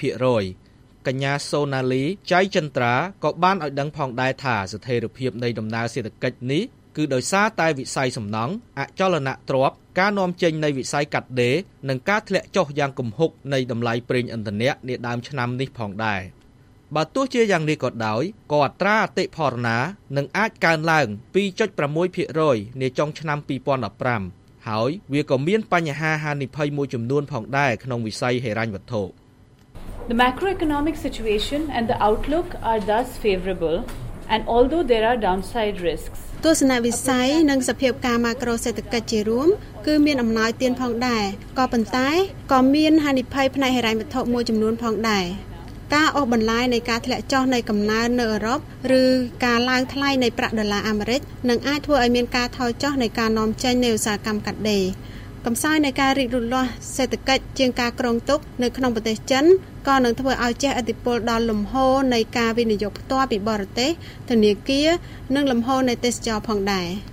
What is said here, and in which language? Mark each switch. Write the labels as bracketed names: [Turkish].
[Khmer] 7% កញ្ញាសូណាលីចៃចន្ទ្រាក៏បានឲ្យដឹងផងដែរថាស្ថិរភាពនៃដំណើរសេដ្ឋកិច្ចនេះគឺដោយសារតែវិស័យសំណង់អចលនទ្រព្យការនាំចេញនៃវិស័យកាត់ដេរនិងការធ្លាក់ចុះយ៉ាងគំហុកនៃតម្លៃប្រេងឥន្ធនៈនាដើមឆ្នាំនេះផងដែរបើទោះជាយ៉ាងនេះក៏ដោយក៏អត្រាអតិផរណានឹងអាចកើនឡើង 2.6% នាចុងឆ្នាំ2015ហើយវាក៏មានបញ្ហាហានិភ័យមួយចំនួនផងដែរក្នុងវិស័យហិរញ្ញវត្ថុ [English] The macroeconomic situation and the outlook are thus favorable and although there are downside risks [Khmer] ទស្សនវិស័យនិងសភាពការម៉ាក្រូសេដ្ឋកិច្ចជារួមគឺមានអំណោយទានផងដែរក៏ប៉ុន្តែក៏មានហានិភ័យផ្នែកហិរញ្ញវត្ថុមួយចំនួនផងដែរ ការអស់បន្លាយនៃការធ្លាក់ចុះនៃកំណើននៅអឺរ៉ុបឬការឡើងថ្លៃនៃប្រាក់ដុល្លារអាមេរិកនឹងអាចធ្វើឲ្យមានការថយចុះនៃការនាំចេញនៃឧស្សាហកម្មកាត់ដេរកំសោយនៃការរីករុលលាស់សេដ្ឋកិច្ចជាងការក្រងទុកនៅក្នុងប្រទេសចិនក៏នឹងធ្វើឲ្យជះឥទ្ធិពលដល់លំហូរនៃការវិនិយោគផ្ទាល់ពីបរទេសធនាគារនិងលំហូរនៃទេសចរផងដែរ